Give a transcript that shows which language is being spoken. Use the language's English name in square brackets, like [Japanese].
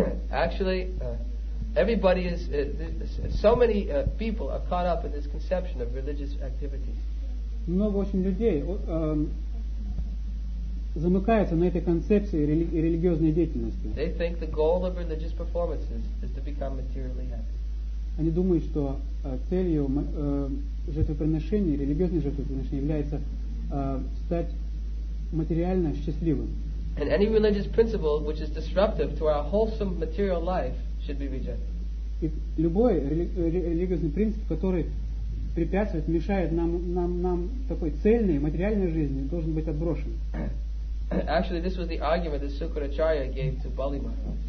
[English] Actually, everybody is so many people are caught up in this conception of religious activities. [Russian] Много очень людей замыкается на этой концепции религиозной деятельности. [English] They think the goal of religious performances is to become materially happy. [Russian] Они думают, что целью жертвоприношения, религиозных жертвоприношений является стать материально счастливым. [English] And any religious principle which is disruptive to our wholesome material life should be rejected. [Russian] И любой религиозный принцип, который препятствует, мешает нам такой цельной материальной жизни, должен быть отброшен. [English] Actually, this was the argument that Sukracharya gave to Bali Maharaj.